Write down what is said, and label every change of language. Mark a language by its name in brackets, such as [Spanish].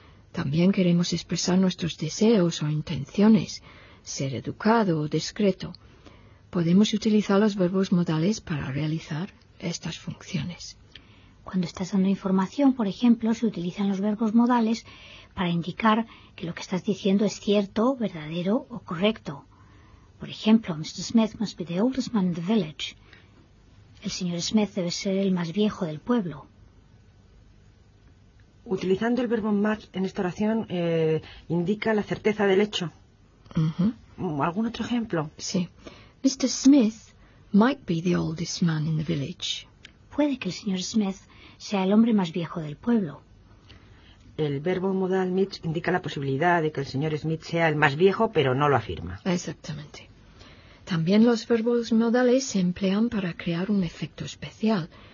[Spanish] También queremos expresar nuestros deseos o intenciones, ser educado o discreto. Podemos utilizar los verbos modales para realizar estas funciones. Cuando estás dando información, por ejemplo, se utilizan los verbos modales para indicar que lo que estás diciendo es cierto, verdadero o correcto. Por ejemplo, Mr. [English] Smith must be the oldest man in the village. [Spanish] El señor Smith debe ser el más viejo del pueblo. Utilizando el verbo must en esta oración indica la certeza del hecho. Uh-huh. ¿Algún otro ejemplo? Sí. Mr. [English] Smith might be the oldest man in the village. [Spanish] Puede que el señor Smith sea el hombre más viejo del pueblo. El verbo modal must indica la posibilidad de que el señor Smith sea el más viejo, pero no lo afirma. Exactamente. También los verbos modales se emplean para crear un efecto especial.